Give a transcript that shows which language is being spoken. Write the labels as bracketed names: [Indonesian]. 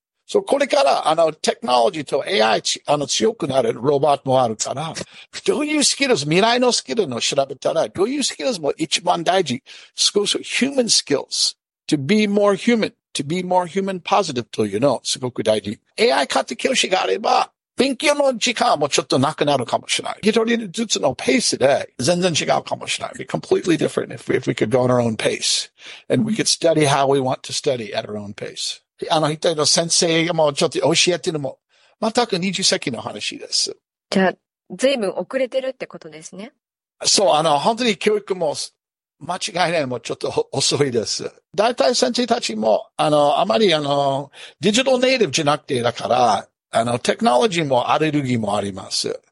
[Japanese] そう、これから、テクノロジーと AI、強くなるロボットもあるから、どういうスキルス、未来のスキルの調べたら、どういうスキルスも一番大事。少し、 [English] human skills, to be more human, to be more human positive [Japanese] というの、すごく大事。 AI 買って教師があれば、勉強の時間もちょっとなくなるかもしれない。一人ずつのペースで、全然違うかもしれない。 [English] It's completely different if we could go on our own pace. And we could study how we want to study at our own pace. [Japanese] 一人の先生もちょっと教えてるのも、全く20世紀の話です。じゃあ、随分遅れてるってことですね。そう、本当に教育も、間違いないもちょっと遅いです。大体先生たちも、あまりデジタルネイティブじゃなくて、だから、テクノロジーもアレルギーもあります。